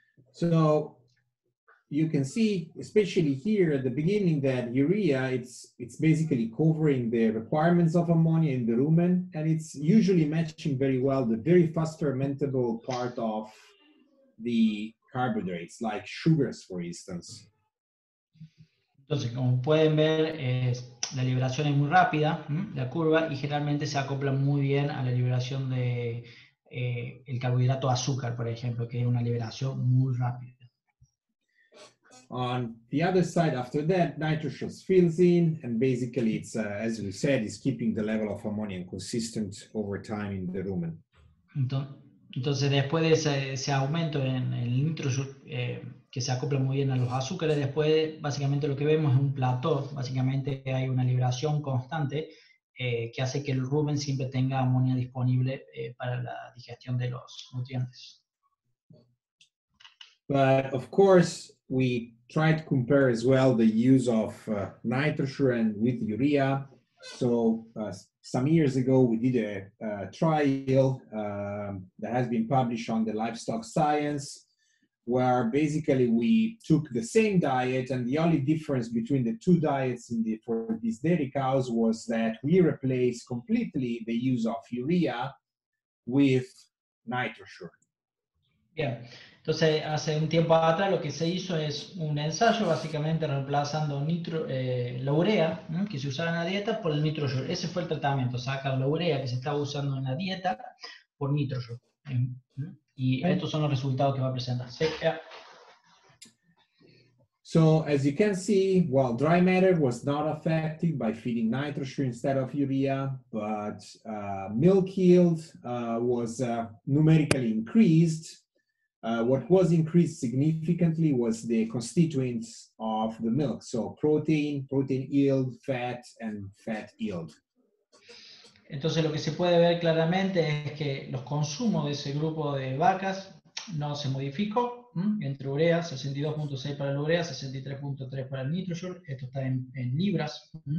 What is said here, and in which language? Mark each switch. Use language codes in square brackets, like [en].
[en] So, you can see, especially here at the beginning, that urea, it's basically covering the requirements of ammonia in the rumen, and it's usually matching very well the very fast fermentable part of the carbohydrates, like sugars, for instance. [es] Entonces, como pueden ver, la liberación es muy rápida, la curva, y generalmente se acopla muy bien a la liberación de el carbohidrato azúcar, por ejemplo, que es una liberación muy rápida. [en] On the other side, after that, nitroglycerin fills in, and basically it's, as we said, it's keeping the level of ammonia consistent over time in the rumen. [es] Entonces, después de ese aumento en el nitroglycerin, que se acopla muy bien a los azúcares, después, básicamente lo que vemos es un plató, básicamente hay una liberación constante, que hace que el rumen siempre tenga ammonia disponible para la digestión de los nutrientes. [en] But of course, we try to compare as well the use of nitrosurin with urea. So some years ago, we did a trial that has been published on the Livestock Science, where basically we took the same diet, and the only difference between the two diets for these dairy cows was that we replaced completely the use of urea with nitrosurin. [es] Bien, entonces hace un tiempo atrás lo que se hizo es un ensayo básicamente reemplazando la urea que se usaba en la dieta por el nitrosur. Ese fue el tratamiento, sacar la urea que se estaba usando en la dieta por nitrosur. Y estos son los resultados que va a presentar. Sí, [en] yeah. So, as you can see, while dry matter was not affected by feeding nitrosur instead of urea, but milk yield was numerically increased. What was increased significantly was the constituents of the milk, so protein yield, fat, and fat yield. [es] Entonces lo que se puede ver claramente es que los consumos de ese grupo de vacas no se modificó, entre urea, 62.6 para la urea, 63.3 para el nitrosur, esto está en libras.